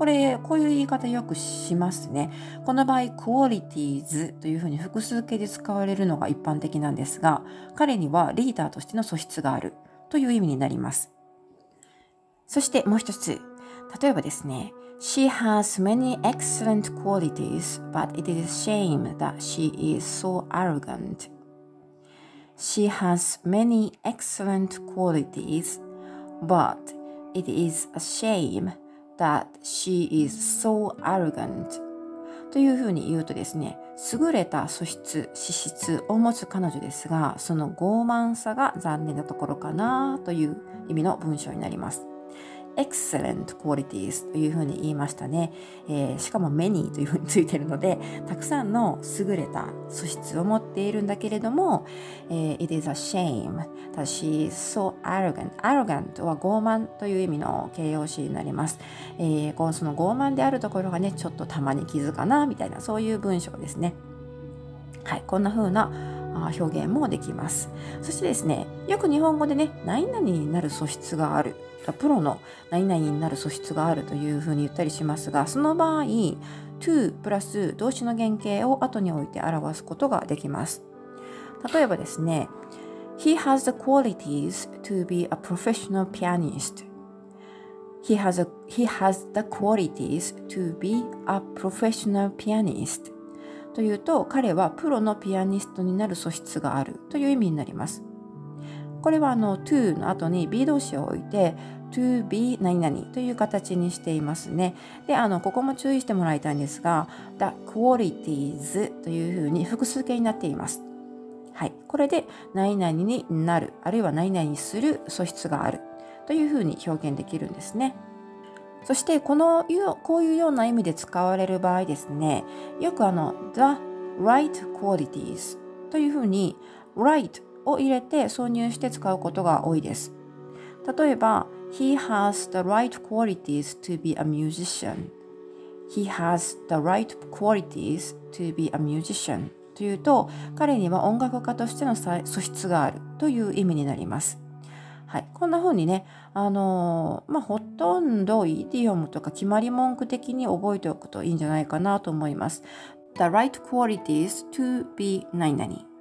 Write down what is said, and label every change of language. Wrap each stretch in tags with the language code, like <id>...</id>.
<ja>これ、こういう言い方よくしますね。この場合、qualities という風に複数形で使われるのが一般的なんですが、彼にはリーダーとしての素質があるという意味になります。そしてもう一つ、例えばですね、</ja> <en>She has many excellent qualities, but it is a shame that she is so arrogant. She has many excellent qualities, but it is a shame that she is so arrogant.</en> <ja>というふうに言うとですね、優れた素質、資質を持つ彼女ですが、その傲慢さが残念なところかなという意味の文章になります。 Excellent qualities というふうに言いましたね。しかも many というふうについているので、たくさんの優れた素質を持っているんだけれども、</ja> <en>It is a shame that she is so arrogant.</en> <ja>Arrogant は傲慢という意味の形容詞になります。その傲慢であるところがね、ちょっとたまに傷かなみたいな、そういう文章ですね。はい、こんなふうな表現もできます。そしてですね、よく日本語でね、何々になる素質がある。プロの何々になる素質があるというふうに言ったりしますが、その場合 to プラス動詞の原形を後に置いて表すことができます。例えばですね、</ja> <en>He has the qualities to be a professional pianist. He has the qualities to be a professional pianist</en> <ja>というと、彼はプロのピアニストになる素質があるという意味になります。これはto の後に be 動詞を置いて to be 何々という形にしていますね。で、ここも注意してもらいたいんですが、the qualities というふうに複数形になっています。はい、これで何々になる、あるいは何々する素質があるというふうに表現できるんですね。そして、こういうような意味で使われる場合ですね、よく the right qualities というふうに right を入れて挿入して使うことが多いです。例えば</ja> <en>He has the right qualities to be a musician. He has the right qualities to be a musician.</en> <ja>というと、彼には音楽家としての素質があるという意味になります。はい、こんな風にね、ほとんどイディオムとか決まり文句的に覚えておくといいんじゃないかなと思います。</ja> <en>The right qualities to be</en> <ja>何々</ja>